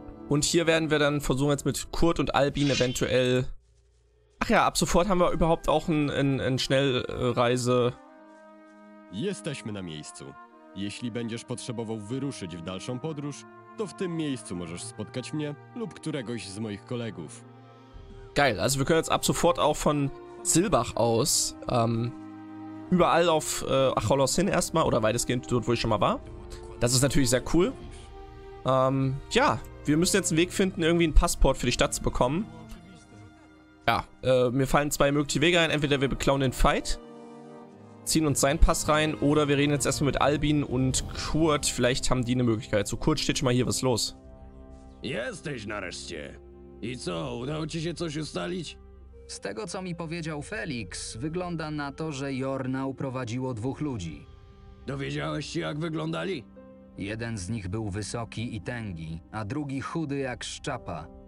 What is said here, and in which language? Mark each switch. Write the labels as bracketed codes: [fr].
[de] Und hier werden wir dann versuchen, jetzt mit Kurt und Albin eventuell... Ach ja, ab sofort haben wir überhaupt auch ein Schnellreise... [pl] Jesteśmy na miejscu. Jeśli będziesz potrzebował wyruszyć w dalszą podróż, to w tym miejscu możesz spotkać mnie lub któregoś z moich kolegów. [de] Geil, also wir können jetzt ab sofort auch von Silbach aus überall auf Acholos hin erstmal oder weitestgehend dort, wo ich schon mal war. Das ist natürlich sehr cool. Ja, wir müssen jetzt einen Weg finden, irgendwie ein Passport für die Stadt zu bekommen. Ja, mir fallen zwei mögliche Wege ein. Entweder wir beklauen den Fight, ziehen uns seinen Pass rein, oder wir reden jetzt erstmal mit Albin und Kurt. Vielleicht haben die eine Möglichkeit. So, Kurt, steht schon mal hier, was ist los? [pl] Jesteś nareszcie. I co, udało ci się coś ustalić? Z tego, co mi powiedział Felix, wygląda na to, że Jorna uprowadziło dwóch ludzi. Dowiedziałeś się, jak wyglądali? Jeden z nich był wysoki i tęgi, a drugi chudy jak szczapa.